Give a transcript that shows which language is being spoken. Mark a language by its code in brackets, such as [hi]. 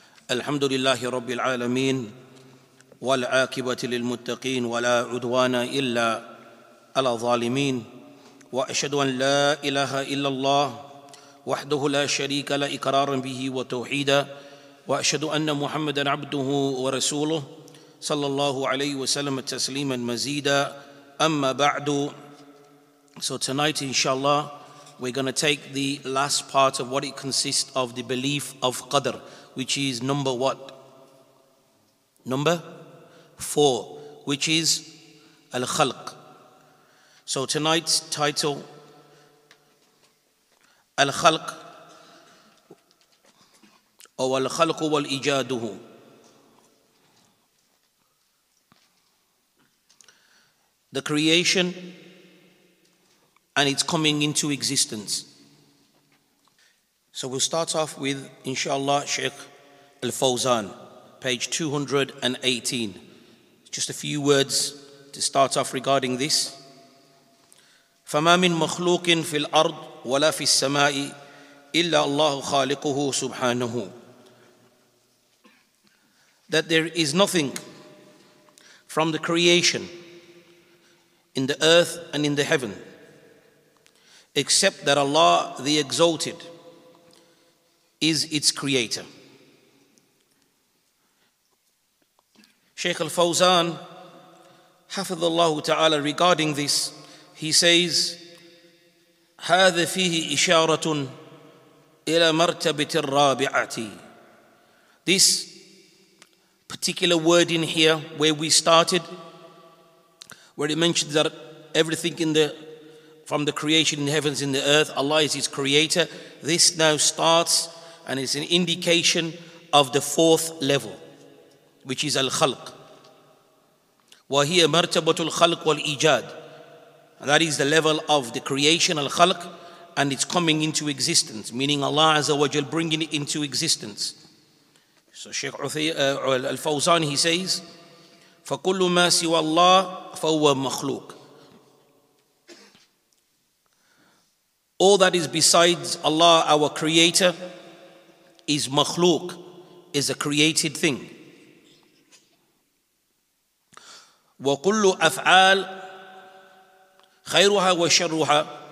[ar] الحمد لله رب العالمين والعاقبة للمتقين ولا عدوان إلا على ظالمين وأشهد أن لا إله إلا الله وحده لا شريك له إقرارا به وتوحيدا وأشهد أن محمدًا عبده ورسوله صلى الله عليه وسلم تسليمًا مزيدًا أما بعد. [en] So tonight, inshallah, we're going to take the last part of what it consists of, the belief of Qadr, which is number what? Number four, which is Al-Khalq. So tonight's title, Al-Khalq, [ar] أو الخلق والإيجاد. [en] The creation and its coming into existence. So we'll start off with, inshallah, Sheikh Al-Fawzan, page 218. Just a few words to start off regarding this. [ar] فما من مخلوق في الأرض ولا في السماء إلا الله خالقه سبحانه. [en] That there is nothing from the creation in the earth and in the heaven except that Allah the Exalted is its creator. Shaykh Al-Fawzan, hafidhullah ta'ala, regarding this, he says, [ar] هذا فيه إشارة إلى مرتبة الرابعة. [en] This particular word in here where we started, where it mentions that everything in the from the creation in the heavens and the earth, Allah is its creator. This now starts and is an indication of the fourth level, which is Al-Khalq. [ar] وَهِيَ مَرْتَبَةُ الْخَلْقُ وَالْإِجَادِ. [en] That is the level of the creation, Al-Khalq, and it's coming into existence, meaning Allah Azza wa Jal bringing it into existence. So Shaykh Al-Fawzan, he says, [ar] فَكُلُّ مَا سِوَى اللَّهِ فَهُوَ مَخْلُوقٌ. [en] All that is besides Allah, our creator, is makhluq, is a created thing. [ar] وَكُلُّ أَفْعَالٍ خَيْرُهَا وَشَرُّهَا.